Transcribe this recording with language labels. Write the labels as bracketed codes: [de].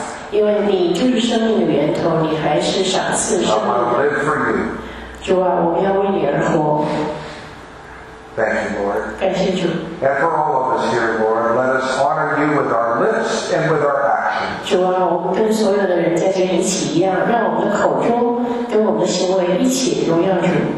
[zh] 因为你就是生命的源头，你还是赏赐生命的。主啊，我们要为你而活。 [en] Thank you, Lord. [zh] 感谢主。 [en] And for all of us here, Lord, let us honor you with our lips and with our actions. [zh] 主啊，我们跟所有的人在这里一起一样，让我们的口中跟我们的行为一起荣耀主。